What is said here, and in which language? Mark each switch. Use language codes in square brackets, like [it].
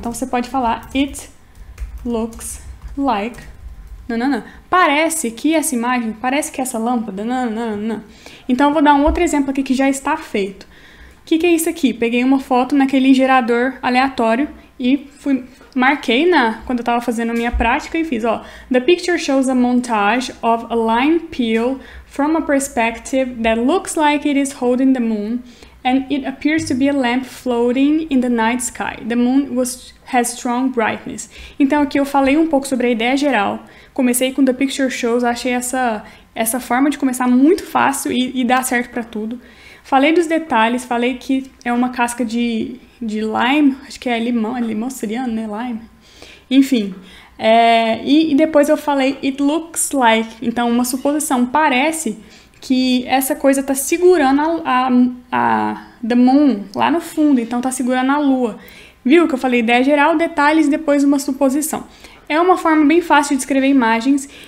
[pt] Então, você pode falar, [en] it looks like... [pt] Parece que essa imagem, parece que essa lâmpada... Então, eu vou dar um outro exemplo aqui que já está feito. O que é isso aqui? Peguei uma foto naquele gerador aleatório e fui... Marquei quando eu estava fazendo a minha prática e fiz, ó. [en] The picture shows a montage of a lime peel from a perspective that looks like it is holding the moon and it appears to be a lamp floating in the night sky. The moon has strong brightness. [pt] Então aqui eu falei um pouco sobre a ideia geral. Comecei com [en] The picture shows, [pt] achei essa forma de começar muito fácil e dar certo para tudo. Falei dos detalhes, falei que é uma casca de lime, acho que é limão siriano, né, lime, enfim, e depois eu falei, [en] it looks like, [pt] então uma suposição, parece que essa coisa tá segurando [en] the moon, [pt] lá no fundo, então tá segurando a lua, viu que eu falei, ideia geral, detalhes, depois uma suposição, é uma forma bem fácil de descrever imagens.